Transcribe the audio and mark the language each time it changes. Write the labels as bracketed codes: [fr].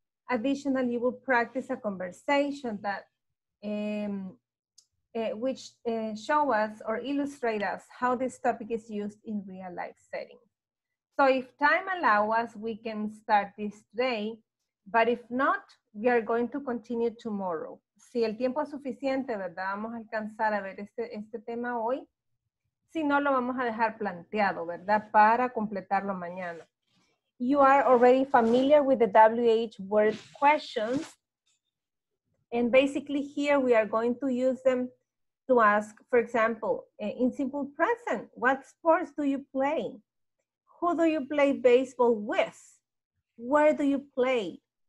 [en] Additionally, you will practice a conversation that which show us or illustrate us how this topic is used in real life setting. So if time allows us, we can start this today. But if not, we are going to continue tomorrow. [es] Si el tiempo es suficiente, ¿verdad? Vamos a alcanzar a ver este tema hoy. Si no, lo vamos a dejar planteado, ¿verdad? Para completarlo mañana. [en] You are already familiar with the WH word questions. And basically here we are going to use them to ask, for example, in simple present, what sports do you play? Who do you play baseball with? Where do you play?